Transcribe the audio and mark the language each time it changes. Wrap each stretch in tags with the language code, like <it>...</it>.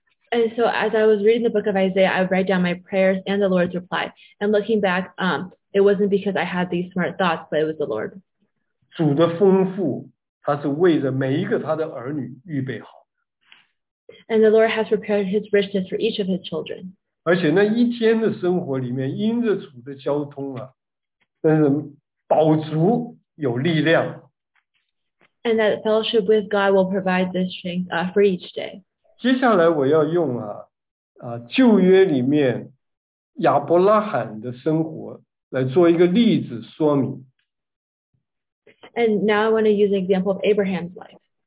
<en>And so as I was reading the book of Isaiah, I would write down my prayers and the Lord's reply. And looking back, it wasn't because I had these smart thoughts, but it was the Lord.</en> <zh>主的丰富，他是为着每一个他的儿女预备好的。</zh> <en>And the Lord has prepared His richness for each of His children.</en> <zh>而且那一天的生活里面，因着主的交通啊，真是饱足有力量。</zh> <en>And that fellowship with God will provide this strength for each day.</en> <zh>接下来我要用旧约里面亚伯拉罕的生活来做一个例子说明。</zh> <en>And now I want to use the example of Abraham's life.</en>